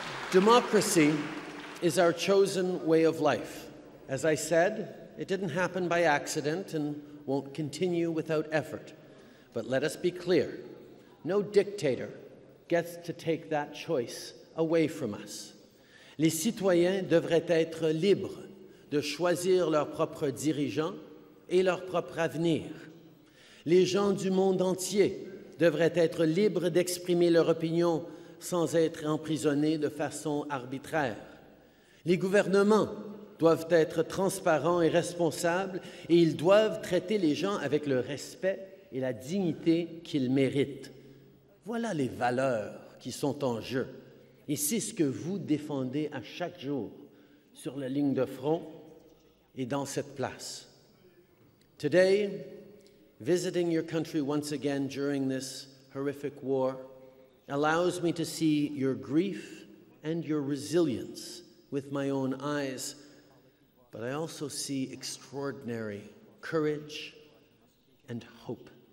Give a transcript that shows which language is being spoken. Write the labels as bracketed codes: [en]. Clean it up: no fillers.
[en] Democracy is our chosen way of life. As I said, it didn't happen by accident and won't continue without effort. But let us be clear, no dictator gets to take that choice away from us. [fr] Les citoyens devraient être libres de choisir leurs propres dirigeants et leur propre avenir. Les gens du monde entier devraient être libres d'exprimer leur opinion sans être emprisonnés de façon arbitraire. Les gouvernements doivent être transparents et responsables, et ils doivent traiter les gens avec le respect et la dignité qu'ils méritent. Voilà les valeurs qui sont en jeu. Et c'est ce que vous défendez à chaque jour sur la ligne de front et dans cette place. [en] Today, visiting your country once again during this horrific war allows me to see your grief and your resilience with my own eyes, but I also see extraordinary courage and hope.